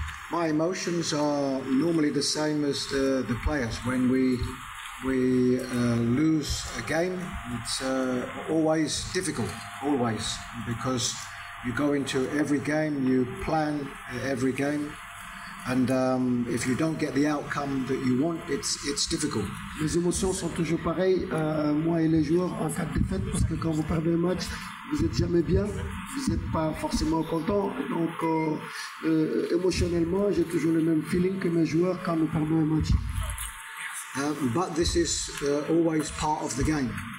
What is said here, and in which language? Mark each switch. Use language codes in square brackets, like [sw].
[en] My emotions are normally the same as the players when we lose a game. It's always difficult, always, because you go into every game, you plan every game, and if you don't get the outcome that you want, it's difficult. [fr] Les émotions sont toujours pareilles, moi et les joueurs, en cas de défaite, parce que quand vous perdez un match, vous êtes jamais bien, vous n'êtes pas forcément content. Donc émotionnellement, j'ai toujours le même feeling que mes joueurs quand nous perdons un match. [en] But this is always part of the game.